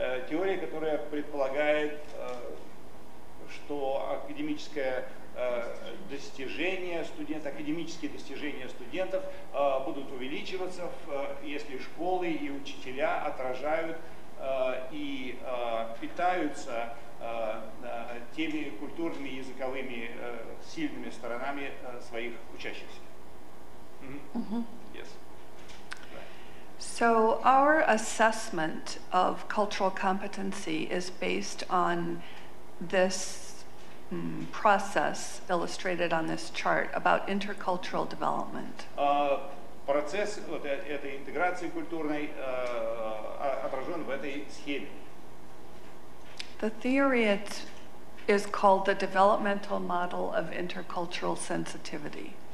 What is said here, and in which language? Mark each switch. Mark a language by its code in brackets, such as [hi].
[ru] Теория, которая предполагает, что академическое достижения студентов, академические достижения студентов будут увеличиваться, если школы и учителя отражают и питаются теми культурными и языковыми сильными сторонами своих учащихся. [en] So our assessment of cultural competency is based on this process illustrated on this chart about intercultural development. [ru] Процесс вот этой интеграции культурной отражен в этой схеме. [en] The theory is called the developmental model of intercultural sensitivity.